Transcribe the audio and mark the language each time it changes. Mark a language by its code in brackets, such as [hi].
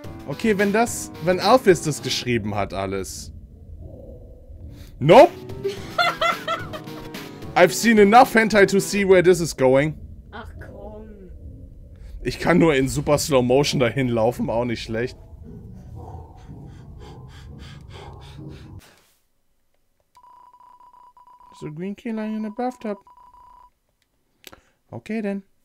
[de] Okay, wenn das, wenn Alphys das geschrieben hat, alles. [en] Nope! I've seen enough hentai to see where this is going. [de] Ach komm. Ich kann nur in [en] super slow motion [de] dahin laufen, auch nicht schlecht. [en] So green key lying in the bathtub. Okay then.